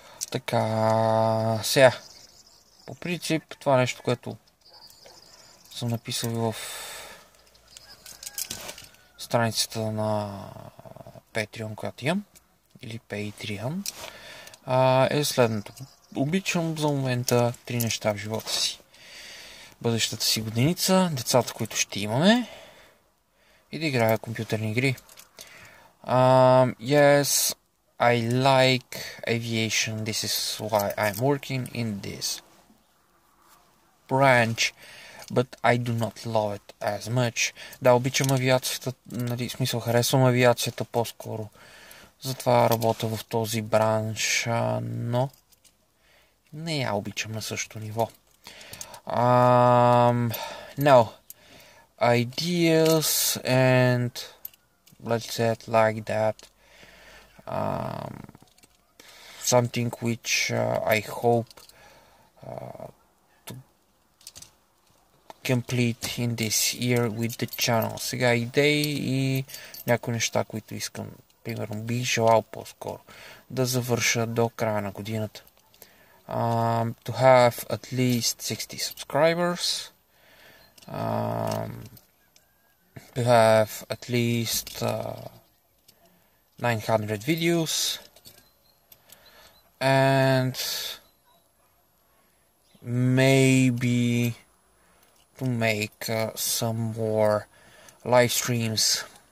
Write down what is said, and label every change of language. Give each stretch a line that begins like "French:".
Bulgarian: Така, сега, по принцип, това нещо, което съм написал в страницата на Patreon, която имам, или Patreon, е следното. Обичам за момента три неща в живота си. Бъдещата си годиница, децата, които ще имаме, и да играя компютърни игри.
English: Yes, I like aviation. This is why I'm working in this branch. But I do not love it as much.
Bulgarian: Да, обичам авиацията, нали, в смисъл харесвам авиацията по-скоро. Затова работя в този бранш, но не я обичам на същото ниво.
English: Now, ideas and let's say it like that. Something which I hope to complete in this year with the channel.
Bulgarian: Сега идеи и някои неща, които искам, примерно бих желал по-скоро да завърша до края на годината.
English: To have at least 60 subscribers. To have at least 900 videos, and maybe to make some more live streams.